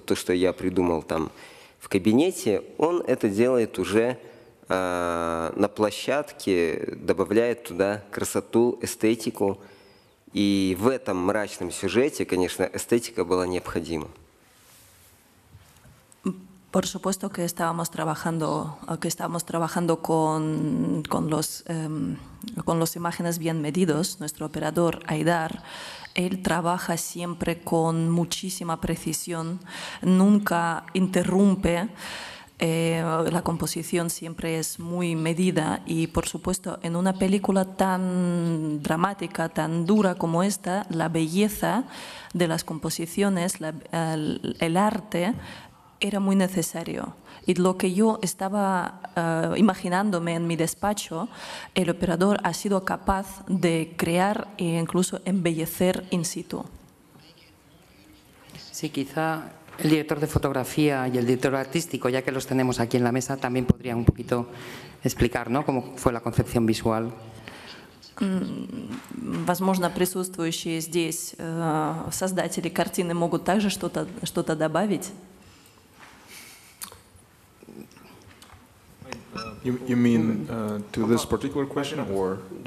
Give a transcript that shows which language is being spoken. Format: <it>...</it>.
<ru>То, что я придумал там в кабинете, он это делает уже на площадке, добавляет туда красоту, эстетику. И в этом мрачном сюжете, конечно, эстетика была необходима.</ru> <es>Por supuesto que estábamos trabajando con las imágenes bien medidos. Nuestro operador Aidar, él trabaja siempre con muchísima precisión, nunca interrumpe. La composición siempre es muy medida y, por supuesto, en una película tan dramática, tan dura como esta, la belleza de las composiciones, el arte, era muy necesario. Y lo que yo estaba imaginándome en mi despacho, el operador ha sido capaz de crear e incluso embellecer in situ. Sí, quizá el director de fotografía y el director artístico, ya que los tenemos aquí en la mesa, también podrían un poquito explicar, ¿no?, cómo fue la concepción visual.</es> <ru>Возможно, присутствующие здесь создатели картины могут также что-то добавить.</ru> <en>You mean to this particular question or?</en>